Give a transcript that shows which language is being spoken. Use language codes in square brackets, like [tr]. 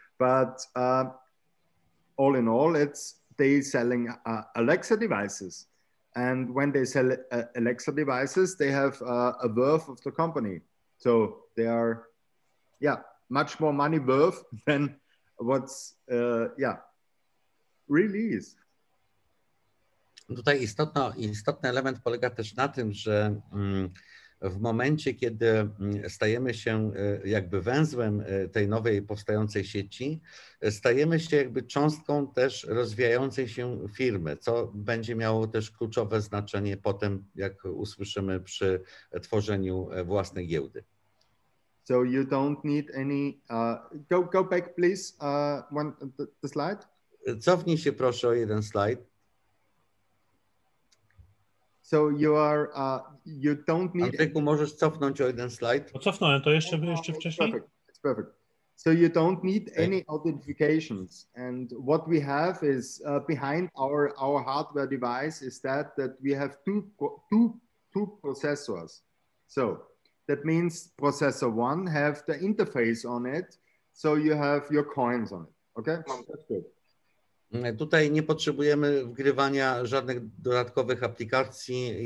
[en] But all in all, it's they selling Alexa devices. And when they sell Alexa devices, they have a worth of the company. So they are, yeah, much more money worth than what's, yeah, released. [pl] Tutaj istotny element polega też na tym, że w momencie, kiedy stajemy się jakby węzłem tej nowej powstającej sieci, stajemy się jakby cząstką też rozwijającej się firmy, co będzie miało też kluczowe znaczenie potem, jak usłyszymy, przy tworzeniu własnej giełdy. [en] So you don't need any... go back, please, the slide. [pl] Cofnij się proszę o jeden slajd. [en] So you are, you don't need... [pl] Andrzejku, możesz cofnąć o jeden slajd? Cofnąłem, to jeszcze wcześniej. [en] It's perfect. So you don't need any authentications. And what we have is behind our hardware device is that we have two processors. So that means processor one have the interface on it. So you have your coins on it. Okay, that's good. [pl] Tutaj nie potrzebujemy wgrywania żadnych dodatkowych aplikacji.